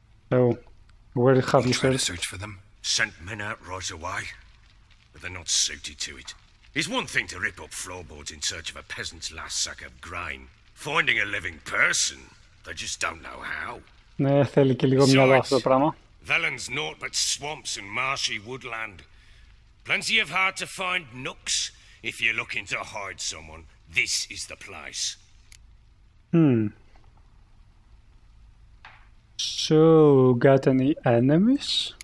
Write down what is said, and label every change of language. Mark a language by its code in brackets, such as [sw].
[en] Oh, where have you tried to search for them? Sent men out right away, but they're not suited to it. It's one thing to rip up floorboards in search of a peasant's last sack of grain. Finding a living person, they just don't know how. [el] Ναι, θέλει και λίγο μυαλό αυτό το πράγμα. [en] Velen's naught but swamps and marshy woodland. Plenty of hard to find nooks. If you're looking to hide someone, this is the place. So, got any enemies?